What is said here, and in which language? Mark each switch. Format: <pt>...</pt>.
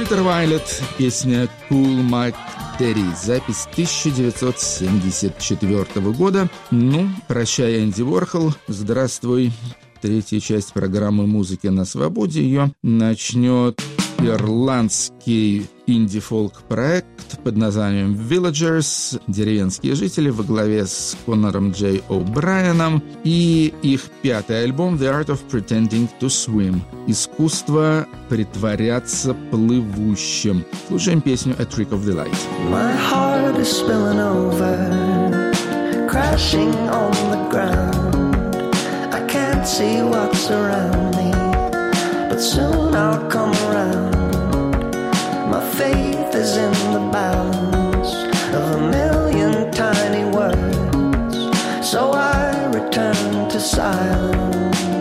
<ru>Violet, песня «Cool Mac Daddy», запись 1974 года. Ну, прощай, Энди Уорхол, здравствуй. Третья часть программы «Музыки на свободе». Ее начнет ирландский инди-фолк-проект под названием «Villagers», «Деревенские жители», во главе с Конором Джей О'Брайеном, и их пятый альбом «The Art of Pretending to Swim» — «Искусство притворяться плывущим». Слушаем песню</ru> <en>«A Trick of the Light». My heart is spilling over, crashing on the ground. I can't see what's around me, but soon I'll come around. My faith is in the balance of a million tiny words, so I return to silence.</en>